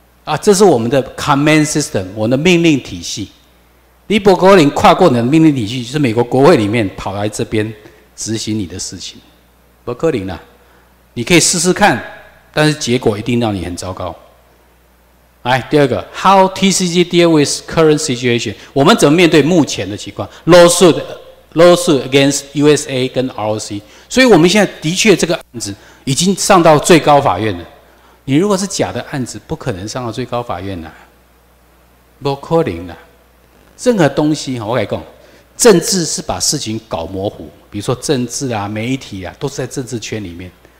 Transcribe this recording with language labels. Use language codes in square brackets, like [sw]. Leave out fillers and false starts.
[zh] 啊，这是我们的 command system， 我们的命令体系。你不可能跨过你的命令体系，就是美国国会里面跑来这边执行你的事情，不可能啦。你可以试试看，但是结果一定让你很糟糕。来，第二个 [en] ，How TCG deal with current situation？ [zh] 我们怎么面对目前的情况 ？ [en] Lawsuit against USA [zh] 跟 ROC， 所以我们现在的确这个案子已经上到最高法院了。你如果是假的案子，不可能上到最高法院呐，不可能的。任何东西，我跟你讲，政治是把事情搞模糊，比如说政治啊、媒体啊，都是在政治圈里面。